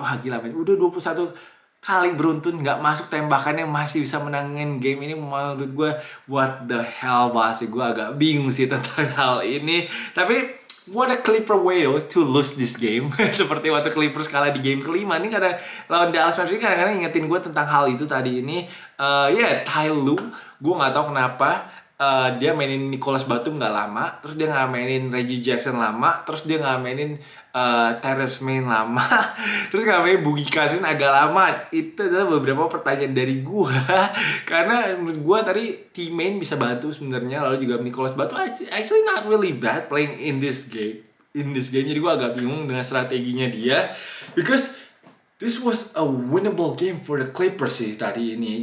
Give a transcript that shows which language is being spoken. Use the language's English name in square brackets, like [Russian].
[Indonesian] Wah gila men, udah 21 kali beruntun gak masuk tembakannya masih bisa menangin game ini. Menurut gue, [English] what the hell [Indonesian] bahasa gue agak bingung sih tentang hal ini. Tapi, [English] what a Clipper way though to lose this game. [Indonesian] Seperti waktu Clippers kalah di game kelima. Ini karena lawan Dallas Mavericks kadang-kadang ingetin gue tentang hal itu tadi ini. Ty Lue, gue gak tahu kenapa. Dia mainin Nicholas Batum gak lama. Terus dia gak mainin Reggie Jackson lama. Terus dia gak mainin Terrence Mann lama. Terus gak mainin Boogie Cousins agak lama. Itu adalah beberapa pertanyaan dari gue. Karena menurut gue tadi T-Main bisa bantu sebenarnya. Lalu juga [English] Nicholas Batum actually not really bad playing in this game. In this game. [Indonesian] Jadi gue agak bingung dengan strateginya dia. [English] Because this was a winnable game for the Clippers [Indonesian] sih tadi ini.